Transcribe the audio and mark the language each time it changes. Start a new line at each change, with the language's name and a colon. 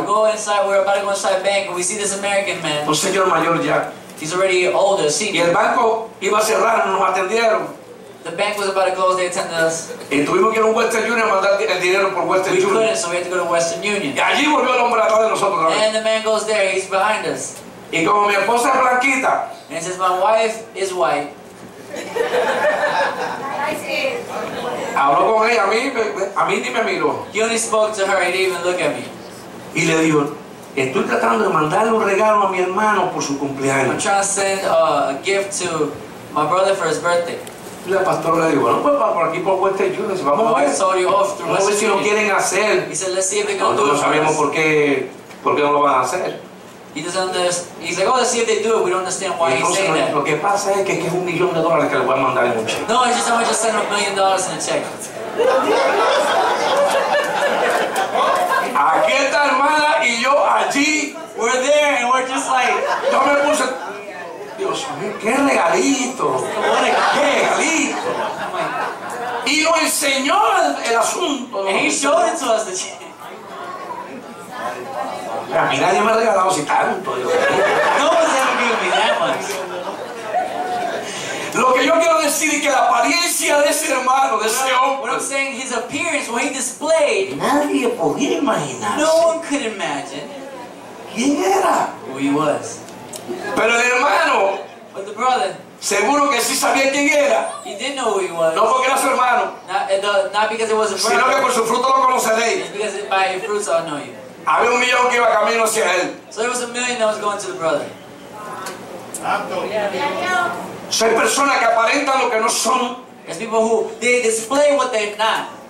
English: We go inside, we're about to go inside a bank, and we see this American man.
Spanish: Un señor mayor ya.
English: He's already older, senior.
Spanish: Y el banco iba a cerrar, no nos atendieron.
English: The bank was about to close, they attended us.
Spanish: Y tuvimos que ir a Western Union a mandar el dinero por Western Union.
English: We couldn't, so we had to go to Western Union.
Spanish: Y allí volvió el hombre atrás de nosotros.
English: And the man goes there, he's behind us.
Spanish: Y como mi esposa es blanquita.
English: And he says, my wife is white.
Spanish: Habló con ella, a mí ni me miró.
English: He only spoke to her, he didn't even look at me.
Spanish: Y le dijo, estoy tratando de mandarle un regalo a mi hermano por su cumpleaños.
English: I'm trying to send a gift to my brother for his birthday.
Spanish: Y la pastora le dijo, no puedo pasar por aquí por Western Union, vamos a ver.
English: I saw you off through
Spanish: Western Union. Si lo quieren hacer.
English: He said, let's see if they can do it.
Spanish: No sabemos por qué no lo van a hacer.
English: He doesn't understand. He's like, oh, let's see if they do it. We don't understand why he's saying that.
Spanish: Lo que pasa es que es un millón de dólares que le voy a mandar en un cheque.
English: No, it's just I'm going to send $1 million in a check.
Spanish: Aquí está hermana y yo allí.
English: We're there and we're just like.
Spanish: Yo me puse. Dios mío, qué regalito. Qué regalito. Y lo enseñó el asunto.
English: And he showed it to us the check.
Spanish: A mí nadie me ha regalado si tanto. No me ha regalado ni nada más. Lo que yo quiero decir es que la apariencia de ese hermano, de ese hombre.
English: What I'm saying, his appearance, what he displayed.
Spanish: Nadie podía imaginarse.
English: No one could imagine.
Spanish: ¿Quién era?
English: Who he was.
Spanish: Pero el hermano.
English: But the brother.
Spanish: Seguro que sí sabía quién era.
English: He didn't know who he was.
Spanish: No porque era su hermano.
English: Not because it was a brother.
Spanish: Sino que por su fruto lo conoceréis.
English: It's because by your fruits I'll know you.
Spanish: Había un millón que iba camino hacia él.
English: So there was a million that was going to the brother.
Spanish: Son personas que aparentan lo que no son.
English: It's people who they display what they're not.